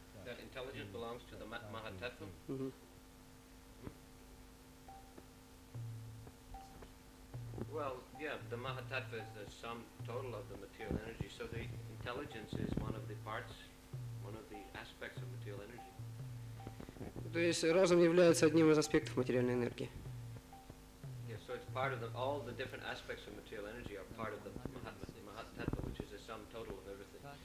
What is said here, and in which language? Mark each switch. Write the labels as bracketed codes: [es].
[en] That intelligence belongs to the Mahatattva? Mm-hmm. Well, yeah, the Mahatattva is the sum total of the material energy. So the intelligence is one of the parts, one of the aspects of material energy. [ru] То есть разум является одним из аспектов материальной энергии. [en] Yeah, so it's part of the, all the different aspects of material energy are part of the Mahatattva, which is the sum total of everything.